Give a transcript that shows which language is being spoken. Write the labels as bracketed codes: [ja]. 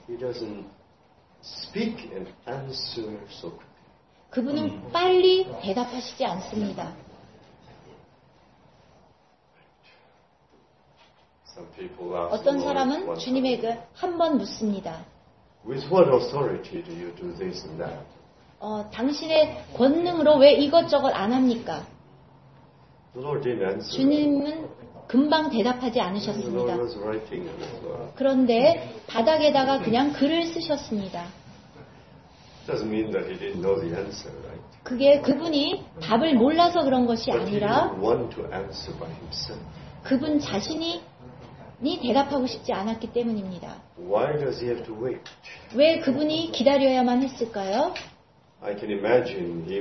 [en] He doesn't speak and answer so quickly. [ko] 그분은 빨리 대답하시지 않습니다. [en] Some people ask [ko] 어떤 사람은 주님에게 한 번 묻습니다. [en] With what authority do you do this and that? [ko] 당신의 권능으로 왜 이것저것 안 합니까? [en] The Lord didn't answer. [ko] 주님은 금방 대답하지 않으셨습니다. [en] The Lord was writing as well. [ko] 그런데 바닥에다가 그냥 글을 쓰셨습니다. [en] Doesn't mean that he didn't know the answer, right? [ko] 그게 그분이 답을 몰라서 그런 것이 [en] But [ko] 아니라 [en] he didn't want to answer by himself. [ko] 그분 자신이 네 대답하고 싶지 않았기 때문입니다. [en] Why does he have to wait? [ko] 왜 그분이 기다려야만 했을까요? [en] I can imagine he